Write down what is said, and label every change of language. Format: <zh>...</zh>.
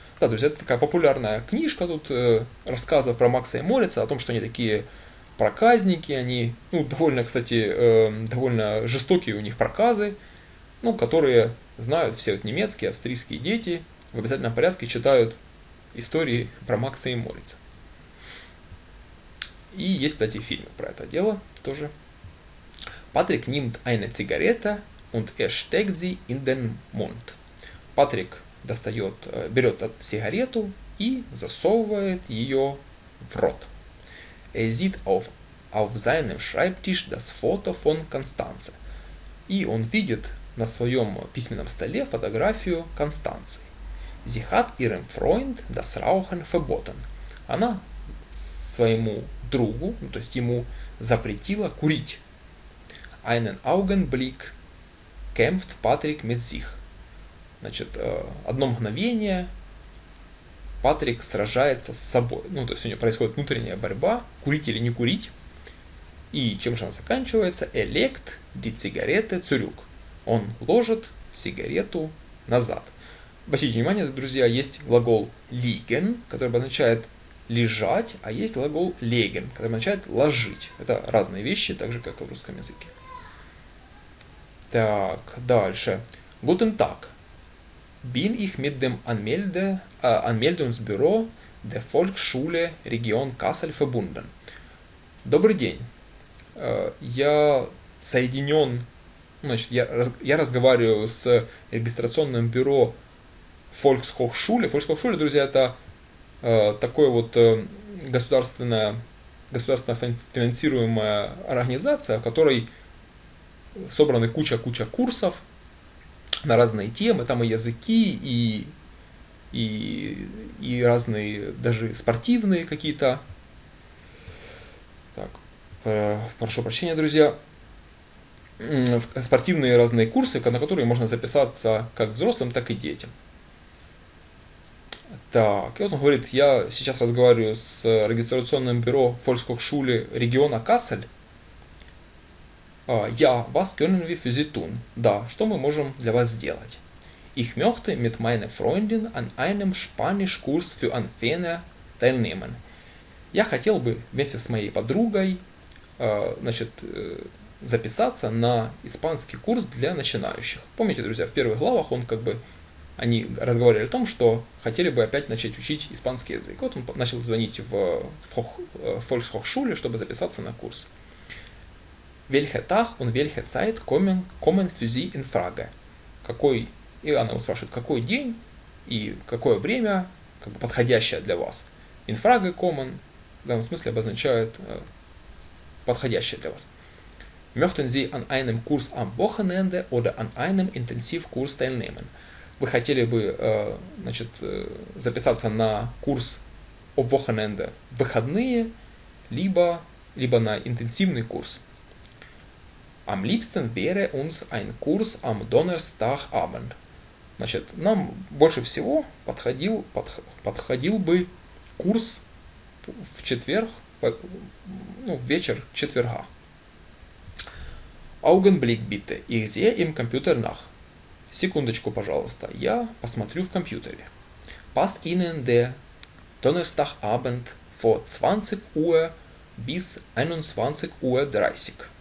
<ru>Да, друзья, это такая популярная книжка тут, рассказов про Макса и Морица, о том, что они такие проказники, они, ну, довольно, кстати, довольно жестокие у них проказы, ну, которые знают все вот немецкие, австрийские дети, в обязательном порядке читают истории про Макса и Морица. И есть, кстати, фильмы про это дело тоже.</ru> <de>Патрик nimmt eine Zigarette und er steckt sie in den Mund.</de> <ru>Патрик берет сигарету и засовывает ее в рот.</ru> <de>Er sieht auf seinem Schreibtisch das Foto von Constanze.</de> <ru>И он видит на своем письменном столе фотографию Констанции.</ru> <de>Sie hat ihrem Freund das Rauchen verboten.</de> <ru>Она своему другу, ну, то есть ему, запретила курить.</ru> <de>Einen Augenblick kämpft Patrick mit sich.</de> <ru>Значит, одно мгновение Патрик сражается с собой. Ну, то есть у него происходит внутренняя борьба, курить или не курить. И чем же она заканчивается?</ru> <de>Er legt die Zigarette zurück.</de> <ru>Он ложит сигарету назад. Обратите внимание, друзья, есть глагол liegen, который означает лежать, а есть глагол legen, который означает ложить. Это разные вещи, так же, как и в русском языке. Так, дальше.</ru> <de>Guten Tag. Bin ich mit dem Anmeldungsbüro der Volksschule Region Kassel verbunden.</de> <ru>Добрый день. Я соединен, значит, я разговариваю с регистрационным бюро Volkshochschule. Volkshochschule, друзья, это такое вот государственно финансируемая организация, в которой собраны куча курсов на разные темы, там и языки, и разные даже спортивные какие-то. Так, прошу прощения, друзья. Спортивные разные курсы, на которые можно записаться как взрослым, так и детям. Так, и вот он говорит, я сейчас разговариваю с регистрационным бюро Volkshochschule региона Кассель.</ru> <de>Ja, was können wir für Sie tun?</de> <ru>Да, что мы можем для вас сделать?</ru> <de>Ich möchte mit meiner Freundin an einem Spanischkurs für Anfänger teilnehmen.</de> <ru>Я хотел бы вместе с моей подругой, значит, записаться на испанский курс для начинающих. Помните, друзья, в первых главах он как бы они разговаривали о том, что хотели бы опять начать учить испанский язык. Вот он начал звонить в Volkshochschule, чтобы записаться на курс.</ru> <de>Welche Tag und welche Zeit kommen für Sie in Frage?</de> <ru>И она его спрашивает, какой день и какое время как бы подходящее для вас?</ru> <de>In Frage kommen</de> <ru>в данном смысле обозначает подходящее для вас.</ru> <de>Möchten Sie an einem Kurs am Wochenende oder an einem Intensivkurs teilnehmen?</de> <ru>Вы хотели бы, значит, записаться на курс об Wochenende в выходные, либо на интенсивный курс.</ru> <de>Am liebsten wäre uns ein Kurs am Donnerstagabend.</de> <ru>Значит, нам больше всего подходил бы курс в четверг, ну, в вечер четверга.</ru> <de>Augenblick bitte, ich sehe im Computer nach.</de> <ru>Секундочку, пожалуйста, я посмотрю в компьютере.</ru> <de>Passt Ihnen der Donnerstagabend vor 20 Uhr bis 21 Uhr 30?</de>